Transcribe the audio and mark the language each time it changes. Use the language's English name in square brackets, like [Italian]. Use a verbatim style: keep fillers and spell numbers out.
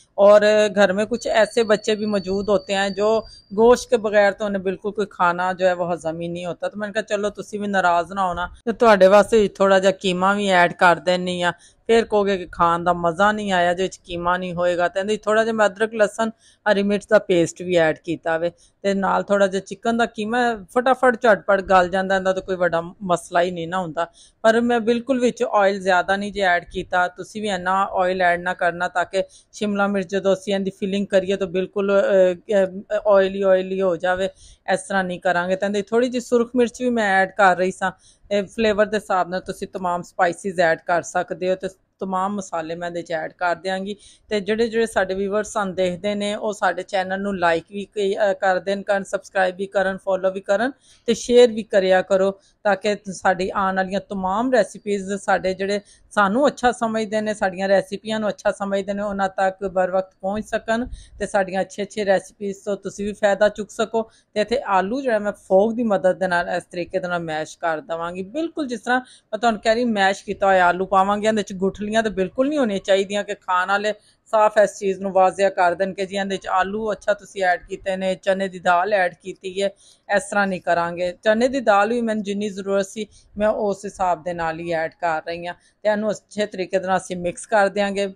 [Urdu] اور گھر میں کچھ ایسے بچے بھی موجود ہوتے ہیں جو گوشت کے بغیر تو انہیں بالکل کوئی کھانا جو ہے وہ ہضم ہی نہیں ہوتا، [Punjabi] تو میں نے کہا چلو تسی بھی ناراض نہ ہونا، تو تہاڈے واسطے تھوڑا جا قیمہ بھی ایڈ کر دینی آ، پھر کہوگے کہ کھان دا مزہ نہیں آیا جو قیمہ نہیں ہوئے گا، تو تھوڑا جا میں ادرک لہسن ہری مرچ دا پیسٹ بھی ایڈ کیتا ہوئے، تے نال تھوڑا جا چکن دا قیمہ فٹافٹ چٹپٹ گل جاندا ہوندا تو کوئی بڑا مسئلہ ہی نہیں نہ ہوندا، پر میں بالکل وچ آئل زیادہ نہیں جے ایڈ کیتا، تسی بھی اینا آئل ایڈ نہ کرنا تاکہ شملہ مرچ جدوں اسی ایندی فلنگ کریے تو بالکل آئلی آئلی ہو جاوے، اس طرح نہیں کرانگے۔ تے تھوڑی جی سرخ مرچ بھی میں ایڈ کر رہی ساں فلیور دے حساب نال، تسی تمام سپائسیز ایڈ کر سکتے ہو، تو تمام ਮਸਾਲੇ ਮੈਂ ਇਹਦੇ 'ਚ ਐਡ ਕਰ ਦਿਆਂਗੀ। ਅਤੇ ਜਿਹੜੇ ਜਿਹੜੇ ਸਾਡੇ ਵੀਵਰਸ ਸਾਨੂੰ ਦੇਖਦੇ ਨੇ ਉਹ ਸਾਡੇ ਚੈਨਲ ਨੂੰ ਲਾਈਕ ਵੀ ਕਈ ਕਰ ਦੇਣ ਕਰਨ, ਸਬਸਕ੍ਰਾਈਬ ਵੀ ਕਰਨ, ਫੋਲੋ ਵੀ ਕਰਨ ਅਤੇ ਸ਼ੇਅਰ ਵੀ ਕਰਿਆ ਕਰੋ, ਤਾਂ ਕਿ ਸਾਡੀ ਆਉਣ ਵਾਲੀਆਂ ਤਮਾਮ ਰੈਸਿਪੀਜ਼ ਸਾਡੇ ਜਿਹੜੇ ਸਾਨੂੰ ਅੱਛਾ ਸਮਝਦੇ ਨੇ, ਸਾਡੀਆਂ ਰੈਸਿਪੀਆਂ ਨੂੰ ਅੱਛਾ ਸਮਝਦੇ ਨੇ, ਉਹਨਾਂ ਤੱਕ ਬਰ ਵਕਤ ਪਹੁੰਚ ਸਕਣ ਅਤੇ ਸਾਡੀਆਂ ਅੱਛੇ ਅੱਛੇ ਰੈਸਿਪੀਜ਼ ਤੋਂ ਤੁਸੀਂ ਵੀ ਫਾਇਦਾ ਚੁੱਕ ਸਕੋ। ਅਤੇ ਇੱਥੇ ਆਲੂ ਜਿਹੜਾ ਮੈਂ ਫੋਕ ਦੀ ਮਦਦ ਦੇ ਨਾਲ ਇਸ ਤਰੀਕੇ ਦੇ ਨਾਲ ਮੈਸ਼ ਕਰ ਦੇਵਾਂਗੀ, ਬਿਲਕੁਲ ਜਿਸ ਤਰ੍ਹਾਂ ਮੈਂ ਤੁਹਾਨੂੰ ਕਹਿ ਰਹੀ ਮੈਸ਼ ਕੀਤਾ ਹੋਇਆ ਆਲੂ ਪਾਵਾਂਗੇ, ਇਹਦੇ 'ਚ ਗੁੱਠਲੀ تو بالکل نہیں ہونی چاہیے کہ کھان والے صاف اس چیز نو واضح کر دین کہ جی اندے آلو اچھا تسی ایڈ کیتے نے, چنے دی دال ایڈ کیتی ہے, اس طرح نہیں کرانگے۔ چنے دی دال بھی میں جنی ضرورت سی میں اس حساب دے نال ہی ایڈ کر رہی ہاں, تے انہوں اچھے طریقے دے نال اسی مکس کر دیاں گے।